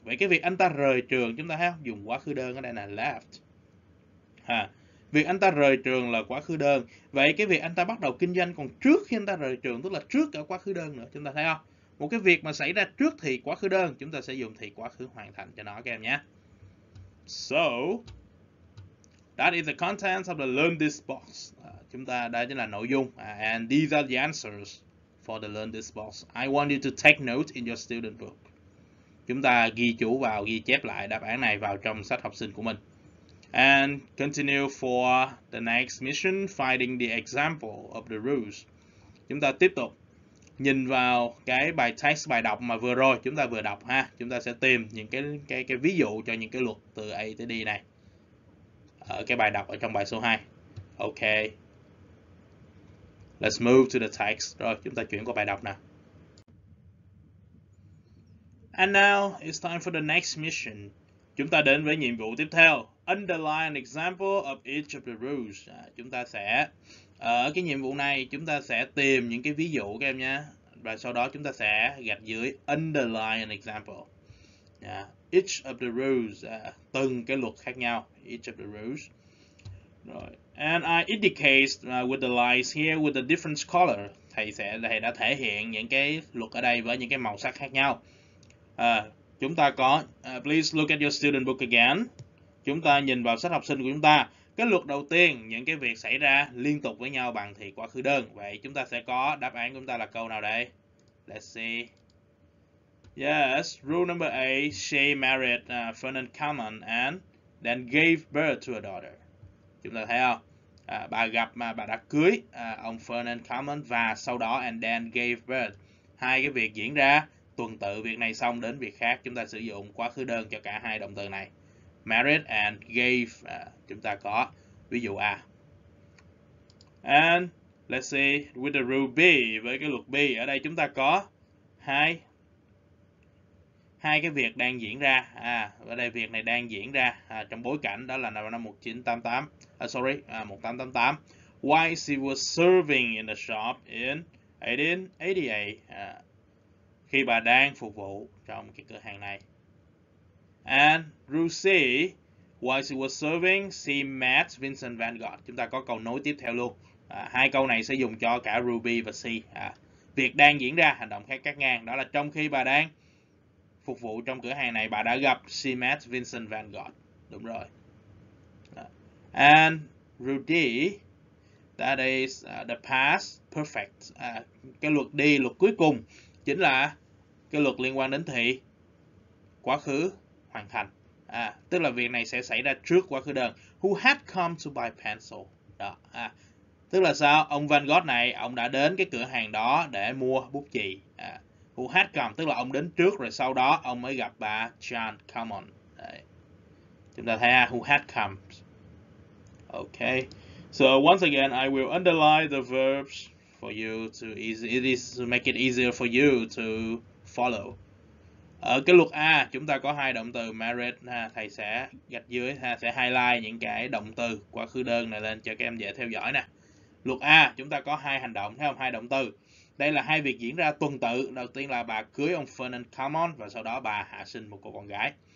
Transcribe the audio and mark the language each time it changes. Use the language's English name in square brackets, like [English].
[Vietnamese] Vậy cái việc anh ta rời trường chúng ta thấy không? Dùng quá khứ đơn ở đây là left. Ha. Việc anh ta rời trường là quá khứ đơn. Vậy cái việc anh ta bắt đầu kinh doanh còn trước khi anh ta rời trường, tức là trước cả quá khứ đơn nữa. Chúng ta thấy không? Một cái việc mà xảy ra trước thì quá khứ đơn, chúng ta sẽ dùng thì quá khứ hoàn thành cho nó các em nhé. [English] So, that is the contents of the Learn This Box. [Vietnamese] Chúng ta, đây chính là nội dung. [English] And these are the answers for the Learn This Box. I want you to take note in your student book. [Vietnamese] Chúng ta ghi chú vào, ghi chép lại đáp án này vào trong sách học sinh của mình. [English] And continue for the next mission, finding the example of the rules. [Vietnamese] Chúng ta tiếp tục nhìn vào cái bài text, bài đọc mà vừa rồi chúng ta vừa đọc ha. Chúng ta sẽ tìm những cái ví dụ cho những cái luật từ A tới D này ở cái bài đọc ở trong bài số 2. Ok. [English] Let's move to the text. [Vietnamese] Rồi, chúng ta chuyển qua bài đọc nào. [English] And now it's time for the next mission. [Vietnamese] Chúng ta đến với nhiệm vụ tiếp theo. [English] Underline an example of each of the rules. [Vietnamese] Chúng ta sẽ ở cái nhiệm vụ này chúng ta sẽ tìm những cái ví dụ các em nhé. Và sau đó chúng ta sẽ gạch dưới [English] underline an example. Each of the rules, [Vietnamese] từng cái luật khác nhau. [English] Each of the rules. Rồi. And I indicate with the lines here with a different color. [Vietnamese] Thầy đã thể hiện những cái luật ở đây với những cái màu sắc khác nhau. Chúng ta có [English] please look at your student book again. [Vietnamese] Chúng ta nhìn vào sách học sinh của chúng ta. Cái luật đầu tiên, những cái việc xảy ra liên tục với nhau bằng thì quá khứ đơn. Vậy chúng ta sẽ có đáp án của chúng ta là câu nào đây? [English] Let's see. Yes, rule number 8, she married Fernand Kallmann and then gave birth to a daughter. [Vietnamese] Chúng ta thấy không? Bà gặp mà bà đã cưới ông Fernand Kallmann và sau đó [English] and then gave birth. [Vietnamese] Hai cái việc diễn ra tuần tự, việc này xong đến việc khác, chúng ta sử dụng quá khứ đơn cho cả hai động từ này. [English] Married and gave, [Vietnamese] chúng ta có ví dụ A. [English] And let's see with the rule B, [Vietnamese] với cái luật B ở đây chúng ta có hai cái việc đang diễn ra. Ở đây việc này đang diễn ra trong bối cảnh đó là năm 1988. 1888. [English] While she was serving in the shop in 1888, [Vietnamese] khi bà đang phục vụ trong cái cửa hàng này. [English] And rule C, while she was serving, she met Vincent Van Gogh. [Vietnamese] Chúng ta có câu nối tiếp theo luôn. Hai câu này sẽ dùng cho cả rule B và C. Việc đang diễn ra, hành động khác cắt ngang. Đó là trong khi bà đang phục vụ trong cửa hàng này, bà đã gặp, [English] she met Vincent Van Gogh. [Vietnamese] Đúng rồi. [English] And rule D, that is the past perfect. [Vietnamese] Cái luật D, luật cuối cùng, chính là cái luật liên quan đến thì quá khứ hoàn thành. Tức là việc này sẽ xảy ra trước quá khứ đơn. [English] Who had come to buy pencil. [Vietnamese] Đó. Tức là sao? Ông Van Gogh này, ông đã đến cái cửa hàng đó để mua bút chì. [English] Who had come, [Vietnamese] tức là ông đến trước rồi sau đó ông mới gặp bà Jean Carmon. Chúng ta thấy who had come. Ok. [English] So once again, I will underline the verbs for you to easy, it is to make it easier for you to follow. [Vietnamese] Ở cái luật A, chúng ta có hai động từ married ha, thầy sẽ gạch dưới ha, sẽ highlight những cái động từ quá khứ đơn này lên cho các em dễ theo dõi nè. Luật A, chúng ta có hai hành động, thấy không? Hai động từ. Đây là hai việc diễn ra tuần tự. Đầu tiên là bà cưới ông Fernand Carmon và sau đó bà hạ sinh một cô con gái.